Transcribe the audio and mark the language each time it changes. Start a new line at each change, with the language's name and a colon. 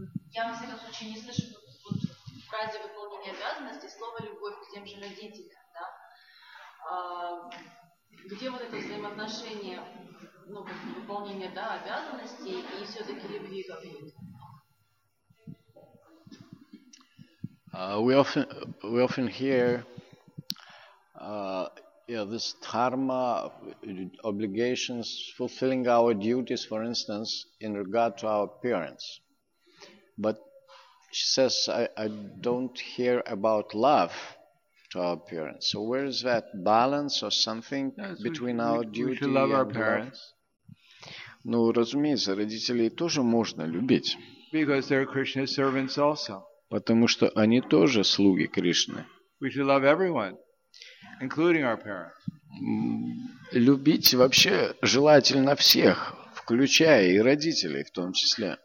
Russian: Я, во всяком случае, не слышу в фразе выполнения обязанностей слово «любовь» к тем же родителям, да? Где вот это взаимоотношение, ну, выполнение, да, обязанностей и все-таки любви к родителям?
English: We often hear this dharma obligations, fulfilling our duties, for instance, in regard to our parents. But she says, I don't hear about love to our parents. So where is that balance or something between our duty and love our parents?
Russian: Ну, разумеется, родителей тоже можно любить.
English: Because they're Krishna's servants also.
Russian: Потому что они тоже слуги Кришны.
English: We should love everyone, including our parents.
Russian: Любить вообще желательно всех, включая и родителей в том числе.